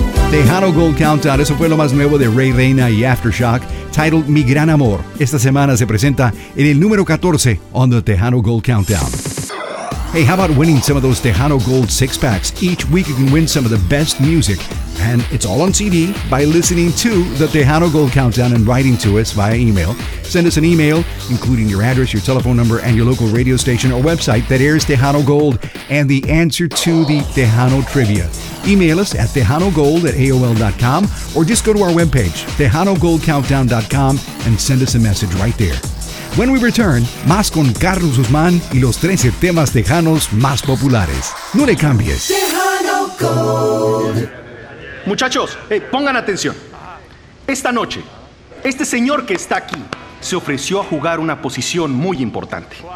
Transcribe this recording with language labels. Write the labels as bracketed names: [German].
[Spanish] Tejano Gold Countdown, eso fue lo más nuevo de Ray Reyna y Aftershock, titled Mi Gran Amor. Esta semana se presenta en el número 14 on the Tejano Gold Countdown. [English] Hey, how about winning some of those Tejano Gold 6-packs? Each week you can win some of the best music, and it's all on CD by listening to the Tejano Gold Countdown and writing to us via email. Send us an email, including your address, your telephone number, and your local radio station or website that airs Tejano Gold and the answer to the Tejano trivia. Email us at TejanoGold@AOL.com or just go to our webpage, TejanoGoldCountdown.com, and send us a message right there. When we return, [Spanish] más con Carlos Guzmán y los 13 temas tejanos más populares. No le cambies. [English] Tejano Gold. [Spanish] Muchachos, hey, pongan atención. Esta noche, este señor que está aquí se ofreció a jugar una posición muy importante.